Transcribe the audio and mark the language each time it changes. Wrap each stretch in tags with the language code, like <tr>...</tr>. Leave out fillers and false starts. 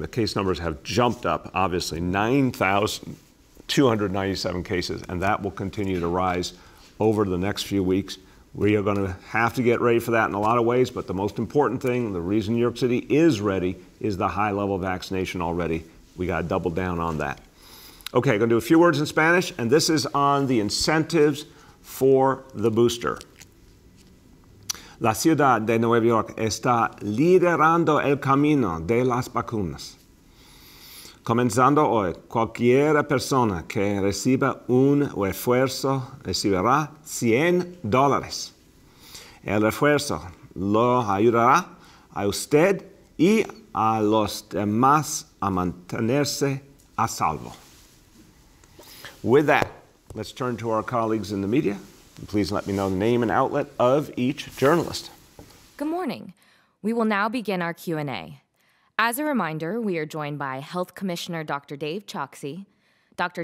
<en>The case numbers have jumped up, obviously, 9,297 cases, and that will continue to rise over the next few weeks. We are going to have to get ready for that in a lot of ways, but the most important thing, the reason New York City is ready, is the high level of vaccination already. We got to double down on that. Okay, going to do a few words in Spanish, and this is on the incentives for the booster.</en> <es>La ciudad de Nueva York está liderando el camino de las vacunas. Comenzando hoy, cualquier persona que reciba un refuerzo recibirá $100. El refuerzo lo ayudará a usted y a los demás a mantenerse a salvo.</es> <en>With that, let's turn to our colleagues in the media. Please let me know the name and outlet of each journalist. Good morning. We will now begin our Q&A. As a reminder, we are joined by Health Commissioner Dr. Dave Choksi, Dr.</en>